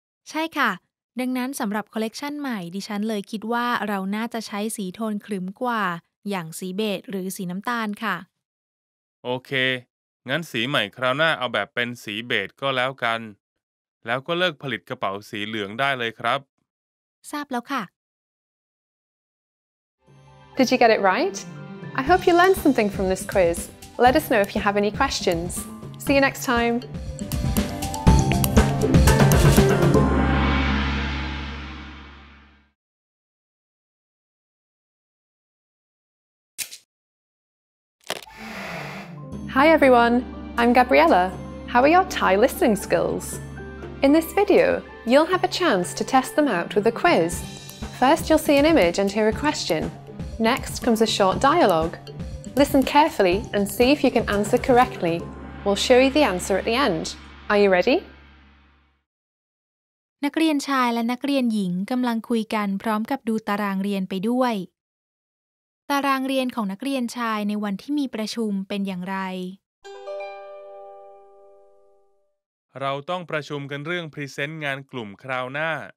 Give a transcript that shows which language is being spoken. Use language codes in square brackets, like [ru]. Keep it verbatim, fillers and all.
[th] ใช่ค่ะดังนั้นสำหรับคอลเลกชันใหม่ดิฉันเลยคิดว่าเราน่าจะใช้สีโทนขรึมกว่าอย่างสีเบจหรือสีน้ำตาลค่ะ โอเคงั้นสีใหม่คราวหน้าเอาแบบเป็นสีเบจก็แล้วกันแล้วก็เลิกผลิตกระเป๋าสีเหลืองได้เลยครับ ทราบแล้วค่ะ [en] Did you get it right? I hope you learned something from this quiz. Let us know if you have any questions. See you next time. Hi everyone, I'm Gabriella. How are your Thai listening skills? In this video, you'll have a chance to test them out with a quiz. First, you'll see an image and hear a question. Next comes a short dialogue. Listen carefully and see if you can answer correctly. We'll show you the answer at the end. Are you ready? [th] นักเรียนชายและนักเรียนหญิงกำลังคุยกันพร้อมกับดูตารางเรียนไปด้วยตารางเรียนของนักเรียนชายในวันที่มีประชุมเป็นอย่างไร เราต้องประชุมกันเรื่องพรีเซนต์งานกลุ่มคราวหน้า